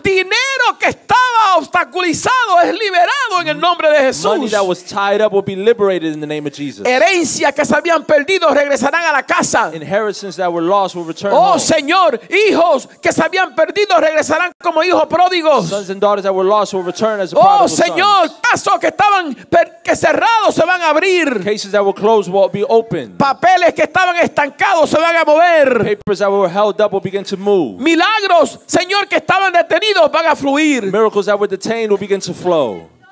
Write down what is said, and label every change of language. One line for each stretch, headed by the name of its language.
Spanish: Dinero que estaba obstaculizado es liberado en el nombre de Jesús.
English: Money that was tied up will be liberated in the name of Jesus.
Spanish: Herencias que se habían perdido regresarán a la casa.
English: Inheritances that were lost will return. Oh, home.
Spanish: Señor, hijos que se habían perdido regresarán como hijos pródigos.
English: Sons and daughters that were lost will return as
Spanish: prodigal. Oh, Señor, casos que estaban cerrados se van a abrir.
English: Cases that were closed will be open.
Spanish: Papeles que estaban estancados se van a mover.
English: Papers that were held up will begin to move.
Spanish: Milagros, Señor, que estaban detenidos van a fluir.
English: Miracles that were detained will begin to flow.